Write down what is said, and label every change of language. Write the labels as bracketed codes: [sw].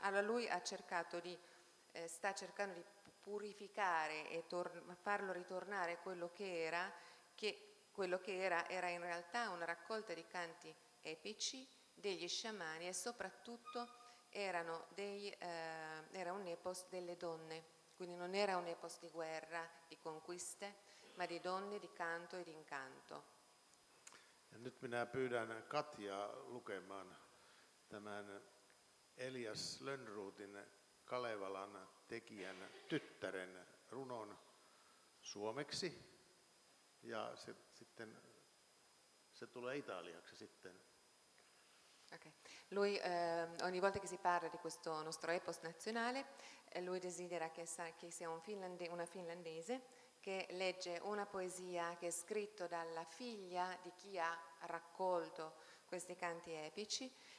[it] Allora lui ha cercato di, sta cercando di purificare e farlo ritornare quello che era, che quello che era in realtà una raccolta di canti epici degli sciamani, e soprattutto era un epos delle donne, quindi non era un epos di guerra, di conquiste, ma di donne, di canto e di incanto. [fi] Ja nyt minä pyydän Katjaa lukemaan tämän Elias Lönnrotin Kalevalan tekijän tyttären runon suomeksi, ja sitten se tulee italiaksi sitten. Okay. [it] Lui, ogni volta che si parla di questo nostro epos nazionale, lui desidera che sia una finlandese che legge una poesia che è scritta dalla figlia di chi ha raccolto questi canti epici.